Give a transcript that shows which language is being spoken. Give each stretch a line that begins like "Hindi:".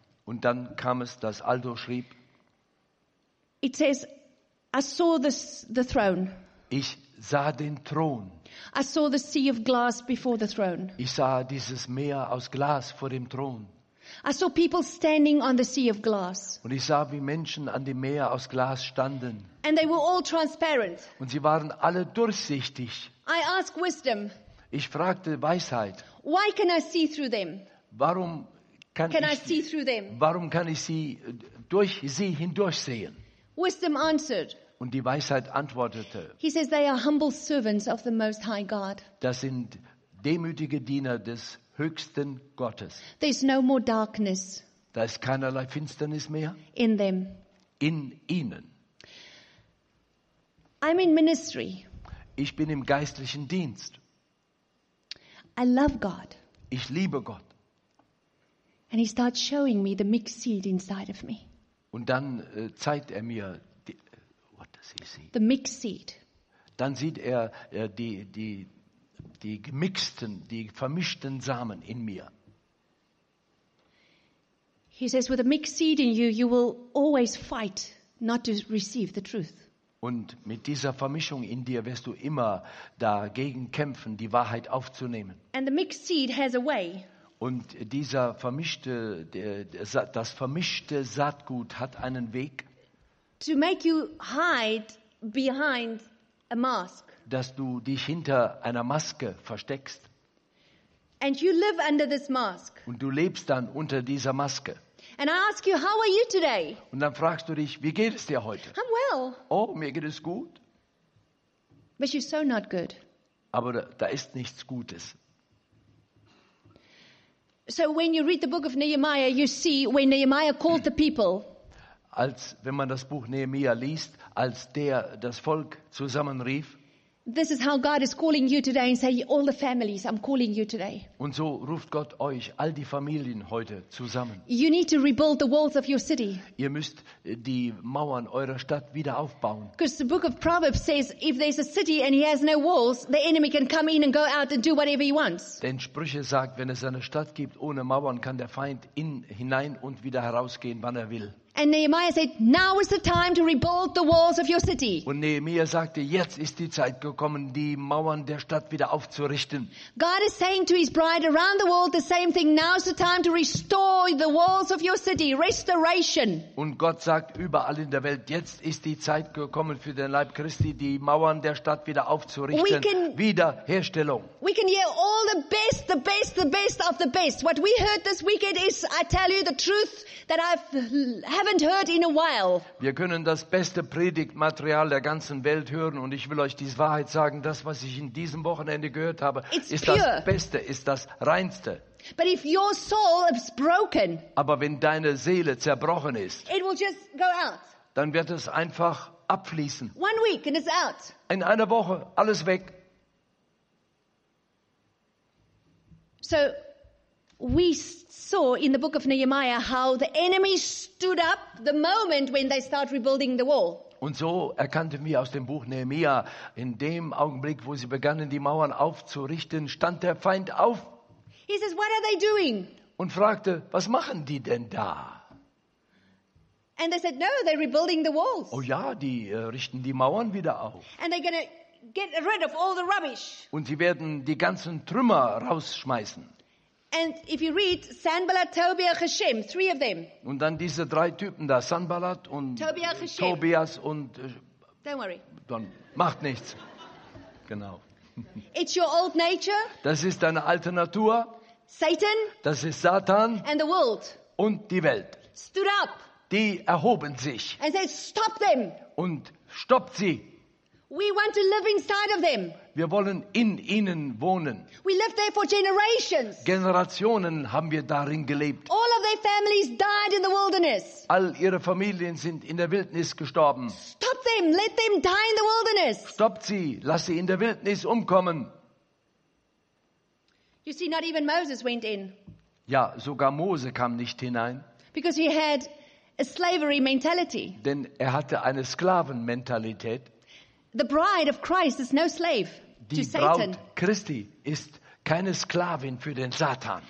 German: Und dann kam es, dass Aldo schrieb.
English: It says, I saw the throne.
German: Ich sah den Thron.
English: I saw the sea of glass before the throne.
German: Ich sah dieses Meer aus Glas vor dem Thron.
English: I saw people standing on the sea of glass.
German: Und ich sah, wie Menschen an dem Meer aus Glas standen.
English: And they were all transparent.
German: Und sie waren alle durchsichtig.
English: I asked wisdom.
German: Ich fragte Weisheit.
English: Why can I see through them?
German: Warum kann ich sie durch sie hindurchsehen?
English: Wisdom answered.
German: Und die Weisheit antwortete.
English: He says they are humble servants of the Most High God.
German: Das sind demütige Diener des höchsten Gottes.
English: There's no more darkness.
German: Da ist keinerlei Finsternis mehr.
English: In them.
German: In ihnen.
English: I'm in ministry.
German: Ich bin im geistlichen Dienst.
English: I love God.
German: Ich liebe Gott.
English: And he starts showing me the mixed seed inside of me.
German: Und dann zeigt er mir die,
English: the mixed seed.
German: Dann sieht er die gemixten, die vermischten Samen in mir.
English: He says, with a mixed seed in you, you will always fight not to receive the truth.
German: Und mit dieser Vermischung in dir wirst du immer dagegen kämpfen, die Wahrheit aufzunehmen.
English: And the mixed seed has a way.
German: Und dieser vermischte, das vermischte Saatgut hat einen Weg.
English: To make you hide behind a mask.
German: Dass du dich hinter einer Maske versteckst.
English: And you live under this mask.
German: Und du lebst dann unter dieser Maske.
English: And I ask you, how are you today?
German: Und dann fragst du dich, wie geht es dir heute?
English: I'm well.
German: Oh, mir geht es gut.
English: But you're so not good.
German: Aber da ist nichts Gutes.
English: So when you read the book of Nehemiah, you see when Nehemiah called the people.
German: Als wenn man das Buch Nehemiah liest, als der das Volk zusammenrief.
English: This is how God is calling you today and say all the families, I'm calling you today.
German: Und so ruft Gott euch all die Familien heute zusammen.
English: You need to rebuild the walls of your city.
German: Ihr müsst die Mauern eurer Stadt wieder aufbauen.
English: Because the book of Proverbs says if there's a city and he has no walls, the enemy can come in and go out and do whatever he wants.
German: Denn Sprüche sagt, wenn es eine Stadt gibt ohne Mauern, kann der Feind in hinein und wieder herausgehen, wann er will.
English: And Nehemiah said, "Now is the time to rebuild the walls of your city."
German: Und Nehemiah sagte, jetzt ist die Zeit gekommen, die Mauern der Stadt wieder aufzurichten.
English: God is saying to his bride around the world the same thing. Now is the time to restore the walls of your city. Restoration.
German: Und Gott sagt überall in der Welt, jetzt ist die Zeit gekommen für den Leib Christi, die Mauern der Stadt wieder aufzurichten. Wiederherstellung.
English: We can hear all the best, the best, the best of the best. What we heard this weekend is, I tell you the truth that I haven't heard in a while.
German: Wir können das beste Predigtmaterial der ganzen Welt hören und ich will euch die Wahrheit sagen, das was ich in diesem Wochenende gehört habe, ist das Beste, ist das Reinste.
English: But if your soul is broken,
German: aber wenn deine Seele zerbrochen ist,
English: it will just go out.
German: Dann wird es einfach abfließen.
English: One week and it's out.
German: In einer Woche alles weg.
English: So we saw in the book of Nehemiah how the enemy stood up the moment when they start rebuilding the wall.
German: Und so erkannten wir aus dem Buch Nehemiah, in dem Augenblick, wo sie begannen, die Mauern aufzurichten, stand der Feind auf.
English: He says, "What are they doing?"
German: Und fragte, was machen die denn da?
English: And they said, "No, they're rebuilding the walls."
German: Oh ja, die richten die Mauern wieder auf.
English: And they're gonna get rid of all the rubbish.
German: Und sie werden die ganzen Trümmer rausschmeißen.
English: And if you read Sanballat, Tobiah, Geshem, three of them.
German: Und dann diese drei Typen da, Sanballat und Tobias und
English: don't worry.
German: Dann macht nichts. Genau.
English: It's your old nature.
German: Das ist deine alte Natur.
English: Satan.
German: Das ist Satan.
English: And the world.
German: Und die Welt.
English: Stood up.
German: Die erhoben sich.
English: And said, "Stop them."
German: Und stoppt sie.
English: We want to live inside of them.
German: Wir wollen in ihnen wohnen.
English: We lived there for generations.
German: Generationen haben wir darin gelebt.
English: All of their families died in the wilderness.
German: All ihre Familien sind in der Wildnis gestorben.
English: Stop them, let them die in the wilderness.
German: Stoppt sie, lass sie in der Wildnis umkommen.
English: You see, not even Moses went in.
German: Ja, sogar Mose kam nicht hinein.
English: Because he had a slavery mentality.
German: Denn er hatte eine Sklavenmentalität.
English: The bride of Christ is no slave to Satan.
German: Die Braut Christi ist keine Sklavin für den Satan.